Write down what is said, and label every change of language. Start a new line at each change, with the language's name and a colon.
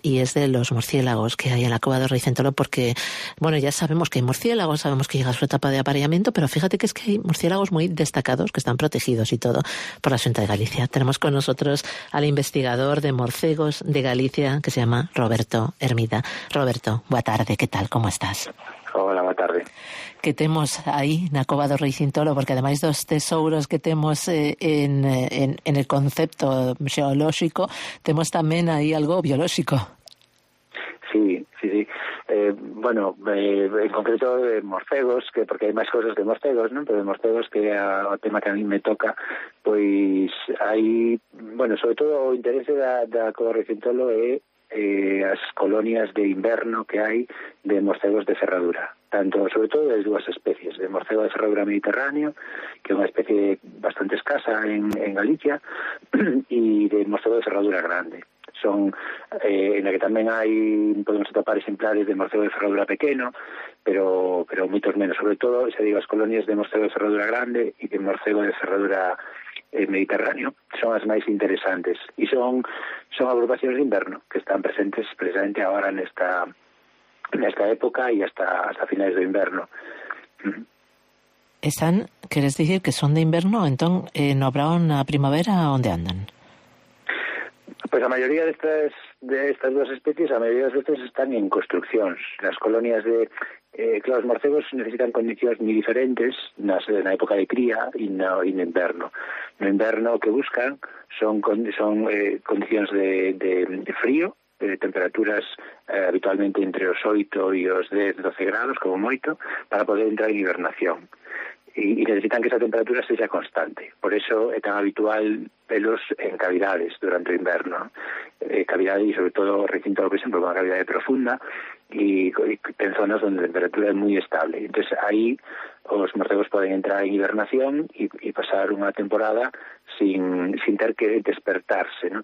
Spanish: Y es de los murciélagos que hay en la Cova do Rei Cíntolo porque, bueno, ya sabemos que hay murciélagos, sabemos que llega a su etapa de apareamiento, pero fíjate que es que hay murciélagos muy destacados que están protegidos y todo por la Xunta de Galicia. Tenemos con nosotros al investigador de morcegos de Galicia, que se llama Roberto Hermida. Roberto,
Galician: boa tarde,
Spanish: ¿qué tal? ¿Cómo estás?
Galician: Hola, boa tarde. Que temos aí na Cova do Rei Cíntolo, porque ademais dos tesouros que temos
Spanish: en el concepto
Galician: xeolóxico, temos tamén aí algo biolóxico. Sí, sí, sí. En concreto morcegos, que porque hai máis cosas de morcegos, ¿no? Pero de morcegos que é o tema que
Spanish: a mí me toca,
Galician: pois hai, bueno, sobre todo o interese da Cova do Rei Cíntolo é as colonias de inverno que hai de morcegos de ferradura, tanto sobre todo de dúas especies, de morcego de ferradura mediterráneo, que é unha especie bastante escasa en Galicia, e de morcego de ferradura grande.
Spanish: Son en la que también hay, podemos atopar ejemplares de morcego de ferradura pequeño, pero muchos menos. Sobre todo, se digo, las colonias de morcego de ferradura grande y de morcego de ferradura mediterráneo son las más interesantes. Y son agrupaciones de invierno que están presentes precisamente ahora en esta época y hasta finales de invierno. ¿Están, quieres decir que son de invierno? Entonces, ¿no habrá una primavera donde andan?
Galician: Pues a maioría destas dúas especies, a maioría das veces están en construccións.
Spanish: Las colonias de...
Galician: claro, os morcegos necesitan condicións moi diferentes na época de cría e no inverno. No inverno o que buscan son condicións de frío, de temperaturas habitualmente entre os 8 e os 10, 12 grados, como moito, para poder entrar en hibernación.
Spanish: Y necesitan que esa temperatura sea constante. Por eso es tan habitual pelos en cavidades durante el invierno. Cavidades y sobre todo recinto, por ejemplo, una cavidad profunda. y en zonas donde la temperatura es muy estable. Entonces ahí los morcegos pueden entrar en hibernación y pasar una temporada sin tener que despertarse, ¿no?